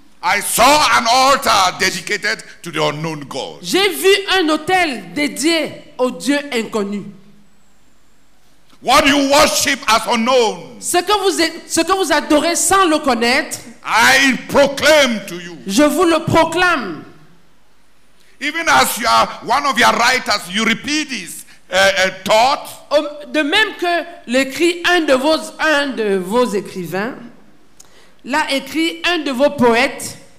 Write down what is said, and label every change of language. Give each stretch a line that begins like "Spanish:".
English: I saw an altar dedicated to the unknown God.
French: J'ai vu un autel dédié au Dieu inconnu.
English: What you worship as unknown,
French: ce que vous adorez sans le connaître,
English: I proclaim to you.
French: Je vous le proclame.
English: Even as you are one of your writers, Euripides taught.
French: De même que l'écrit un de vos écrivains, l'a écrit un de vos poètes.